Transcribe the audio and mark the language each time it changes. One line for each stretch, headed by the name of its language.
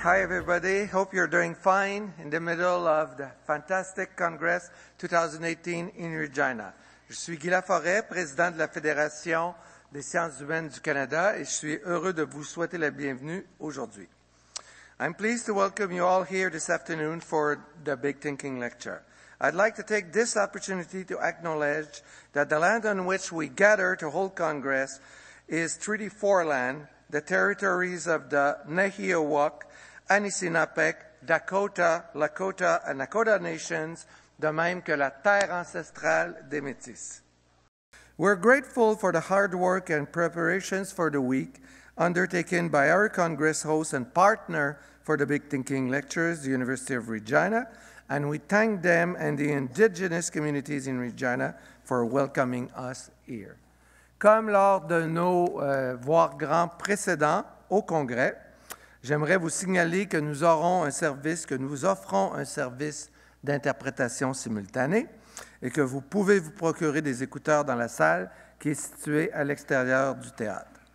English: Hi everybody, hope you're doing fine in the middle of the fantastic Congress 2018 in Regina.
French: Je suis Guy Laforêt, président de la Fédération des sciences humaines du Canada et je suis heureux de vous souhaiter la bienvenue aujourd'hui.
English: I'm pleased to welcome you all here this afternoon for the Big Thinking Lecture. I'd like to take this opportunity to acknowledge that the land on which we gather to hold Congress is Treaty 4 land, the territories of the Nahiowoc, Anisinapek, Dakota, Lakota, and Nakota nations,
French: de même que la terre ancestrale des Métis.
English: We're grateful for the hard work and preparations for the week undertaken by our Congress host and partner for the Big Thinking Lectures, the University of Regina, and we thank them and the Indigenous communities in Regina for welcoming us here.
French: Comme lors de nos voire grands précédents au Congrès, j'aimerais vous signaler que nous aurons un service, que nous offrons un service d'interprétation simultanée et que vous pouvez vous procurer des écouteurs dans la salle qui est située à l'extérieur du théâtre.